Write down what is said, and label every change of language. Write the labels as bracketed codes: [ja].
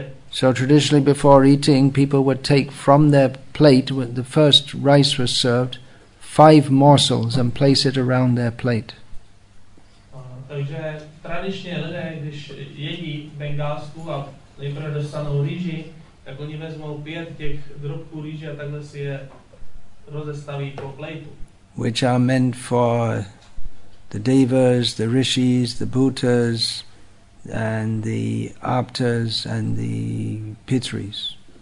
[en] So traditionally before eating, people would take from their plate, when the first rice was served, five morsels and place it around their plate. [cs] Takže tradičně lidé, když jedí bengalsku a nejprve dostanou rýži, tak oni vezmou pět těch drobků rýže a takhle si je rozestaví po plejtu. [en] Which are meant for the devas, the rishis, the buddhas, and the aptas and the pitris.